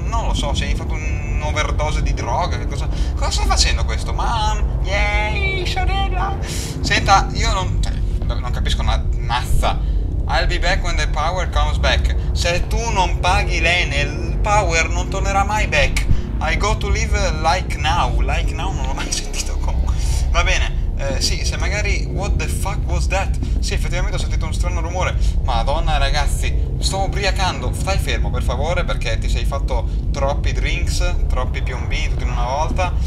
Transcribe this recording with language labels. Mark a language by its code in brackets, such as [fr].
[it] Non lo so, se hai fatto un'overdose di droga. Che cosa. Cosa sta facendo questo? Mam! Yay, sorella! Senta, io non. Cioè, non capisco una mazza. [en] I'll be back when the power comes back. [it] Se tu non paghi l'Enel, il power non tornerà mai back. [en] I go to live like now. [it] Like now non l'ho mai sentito comunque. Va bene. Sì, se magari. [en] What the fuck was that? [it] Sì, effettivamente ho sentito uno strano rumore. Madonna, ragazzi, sto ubriacando. Stai fermo, per favore, perché ti sei fatto troppi drinks, troppi piombini, tutti in una volta.